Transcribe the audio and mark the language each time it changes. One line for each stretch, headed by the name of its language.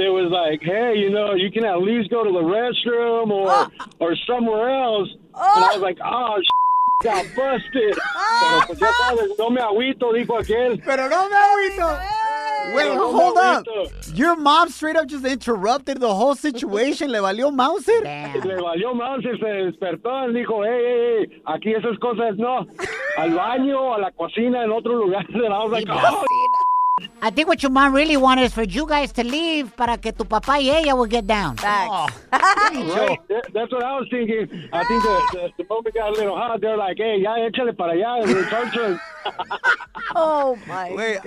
English: It was like, hey, you know, you can at least go to the restroom or somewhere else. And I was like, oh, shit. Got busted.
Spanish: Pero no me agüito, dijo aquel. Pero no me agüito.
English: Wait, hold up.
Spanish: Your mom straight up just interrupted the whole situation. ¿Le valió Mauser? Le valió Mauser, se despertó y dijo, hey, hey, hey, aquí esas cosas no. Al baño, a la cocina, en otro lugar.
English: And I was like, oh, I think what your mom really wanted is for you guys to leave
Spanish: para que tu papá y ella
English: would get down. Facts. Oh. Right. That's what I was thinking. I think the moment got a little hot, they're like, hey,
Spanish: ya échale para allá,
English: return. Oh my god.